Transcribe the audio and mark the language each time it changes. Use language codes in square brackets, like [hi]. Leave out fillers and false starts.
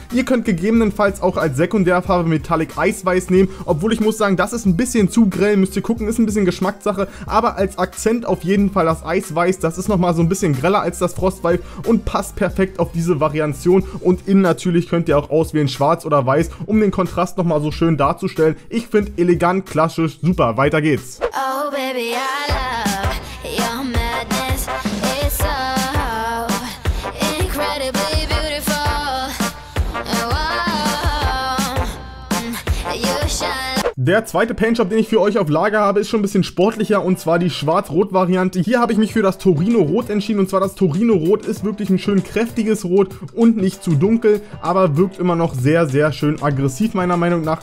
[de] Ihr könnt gegebenenfalls auch als Sekundärfarbe Metallic Eisweiß nehmen, obwohl ich muss sagen, das ist ein bisschen zu grell, müsst ihr gucken, ist ein bisschen Geschmackssache, aber als Akzent auf jeden Fall das Eisweiß, das ist nochmal so ein bisschen greller als das Frostweiß und passt perfekt auf diese Variation. Und innen natürlich könnt ihr auch auswählen Schwarz oder Weiß, um den Kontrast nochmal so schön darzustellen. Ich finde elegant, klassisch. Super, weiter geht's. [en] Oh, baby, I love your madness. It's so incredibly beautiful. Whoa, you shine. [de] Der zweite Paintjob, den ich für euch auf Lager habe, ist schon ein bisschen sportlicher, und zwar die Schwarz-Rot-Variante. Hier habe ich mich für das Torino-Rot entschieden, und zwar das Torino-Rot ist wirklich ein schön kräftiges Rot und nicht zu dunkel, aber wirkt immer noch sehr, sehr schön aggressiv, meiner Meinung nach.